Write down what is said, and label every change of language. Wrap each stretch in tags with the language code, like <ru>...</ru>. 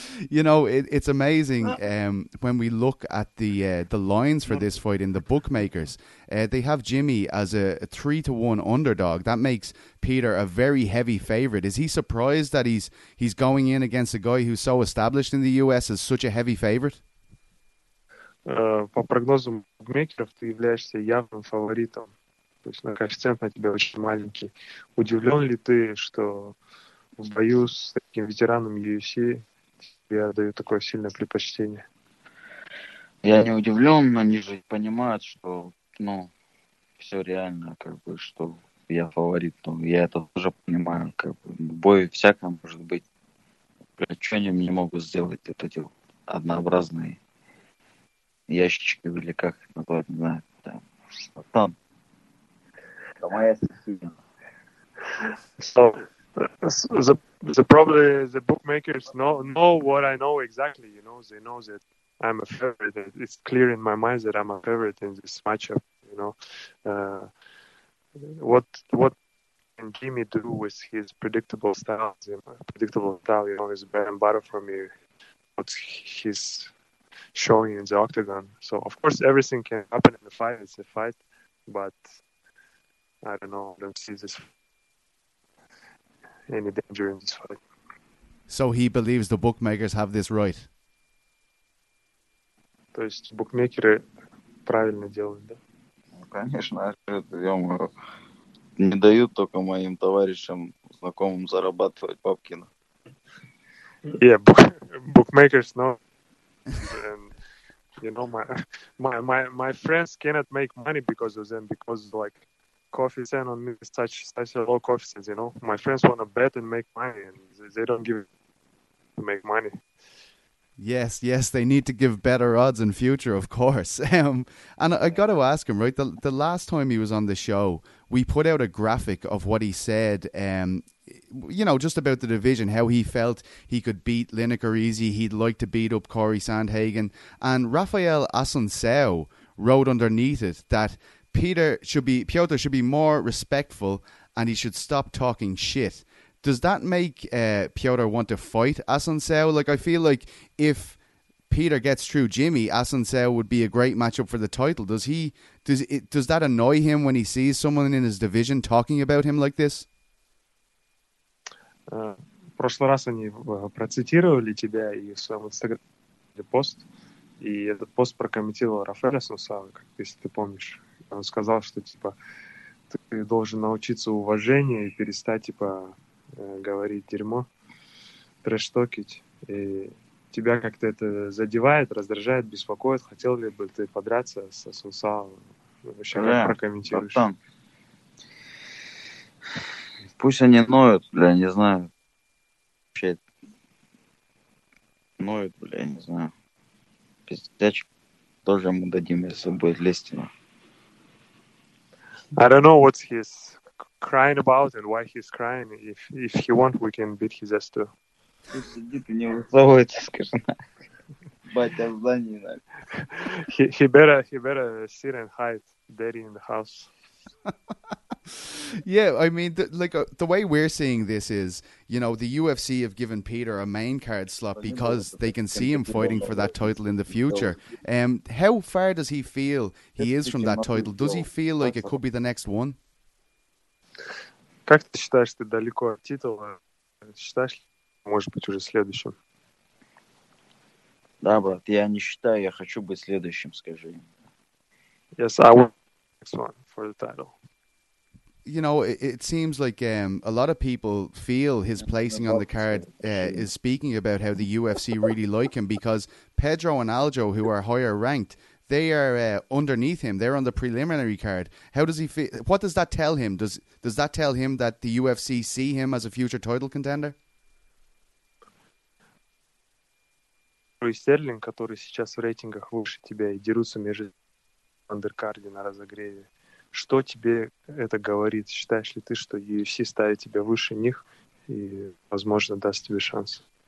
<en>You know, it's amazing when we look at the lines for this fight in the bookmakers. They have Jimmy as a 3-1 underdog. That makes Petr a very heavy favorite. Is he surprised that he's going in against a guy who's so established in the U.S. as such a heavy favorite?</en> <ru>По прогнозам букмекеров, ты являешься явным фаворитом. То есть, коэффициент на тебя очень маленький. Удивлен ли ты, что в бою с таким ветераном UFC тебе дают такое сильное предпочтение? Я не удивлен, но они же понимают, что, ну, все реально, как бы, что я фаворит. Ну, я это тоже понимаю, как бы, бой всяко может быть. Что они мне могут сделать, вот эти однообразные ящички или как назвать, не знаю, там, там. Это моя стихия.</ru> <en>So, the probably the bookmakers know what I know exactly, you know, they know that I'm a favorite. It's clear in my mind that I'm a favorite in this matchup. You know, what can Jimmy do with his predictable style? You know, predictable style, you know, is bread and butter for me. What he's showing in the octagon. So of course everything can happen in the fight. It's a fight, but I don't know. I don't see this any danger in this fight. So he believes the bookmakers have this right.</en> <ru>То есть букмекеры правильно делают, да? Конечно, я не даю только моим товарищам, знакомым зарабатывать бабки.</ru> <en>Yeah, bookmakers know. And, you know, my friends cannot make money because of them, because like coefficient on me is such a low coefficient, you know. My friends want to bet and make money, and they don't give to make money. Yes, yes, they need to give better odds in future, of course. And I got to ask him, right, the last time he was on the show, we put out a graphic of what he said, you know, just about the division, how he felt he could beat Lineker easy, he'd like to beat up Corey Sandhagen. And Rafael Asunção wrote underneath it that Piotr should be more respectful and he should stop talking shit. Does that make Piotr want to fight Asunção? Like, I feel like if Petr gets through Jimmy, Asunção would be a great matchup for the title. Does that annoy him when he sees someone in his division talking about him like this?</en> <ru>Прошлый раз они процитировали тебя и в своем инстаграме пост, и этот пост прокомментировал Рафаэль Асунсао, как если ты помнишь. Он сказал, что типа ты должен научиться уважению и перестать типа говорить дерьмо, трэш-токить. И тебя как-то это задевает, раздражает, беспокоит. Хотел ли бы ты подраться с Асунсао? Вообще, как прокомментируешь? Там. Пусть они ноют, бля, не знаю. Вообще, ноют, бля, не знаю. Пиздец, тоже ему дадим, если будет лезть.</ru> <en>I don't know what's his crying about and why he's crying. If he wants, we can beat his ass too.</en> <ru>Сидит и не высовывается, скажем. Батя в здании, да.</ru> <en>He better sit and hide daddy in the house. Yeah, I mean, the way we're seeing this is, you know, the UFC have given Petr a main card slot because they can see him fighting for that title in the future. How far does he feel he is from that title? Does he feel like it could be the next one?</en> <ru>Как ты считаешь, ты далеко от титула? Считаешь, может быть, уже следующим? Да, брат, я не считаю, я хочу быть следующим, скажи.</ru> <en>Yes, I want the next one for the title. You know, it seems like a lot of people feel his placing on the card is speaking about how the UFC really like him, because Pedro and Aljo, who are higher ranked, they are underneath him. They're on the preliminary card. How does he feel? What does that tell him? Does that tell him that the UFC see him as a future title contender?</en> <ru>Стерлинг, который сейчас в рейтингах выше тебя и дерутся между андеркарди на разогреве. Что тебе это говорит? Считаешь ли ты, что UFC ставит тебя выше них и, возможно, даст тебе шанс?</ru>